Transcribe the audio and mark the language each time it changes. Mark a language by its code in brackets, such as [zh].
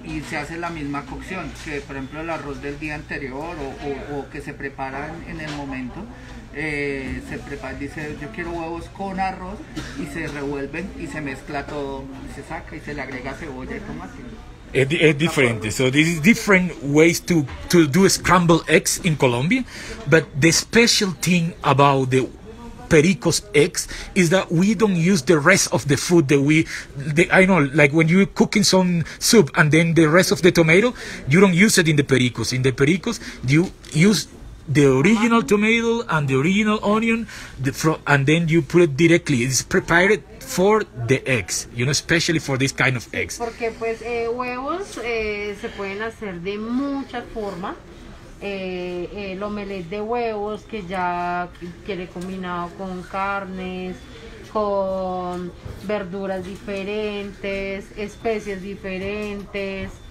[es] Y se hace la misma cocción, que por ejemplo el arroz del día anterior o que se preparan en el momento. Se prepara, dice, yo quiero huevos con arroz, y se revuelven y se mezcla todo y se saca y se le agrega cebolla y tomate. Es diferente. [en] So this is different ways to do scrambled eggs in Colombia, but the special thing about the Perico's eggs is that we don't use the rest of the food that I know, like when you're cooking some soup and then the rest of the tomato, you don't use it in the Perico's. In the Perico's, you use the original tomato and the original onion, and then you put it directly. It's prepared for the eggs, you know, especially for this kind of eggs. [es] Porque pues huevos se pueden hacer de muchas formas. El omelette de huevos que ya quiere combinado con carnes, con verduras diferentes, especies diferentes,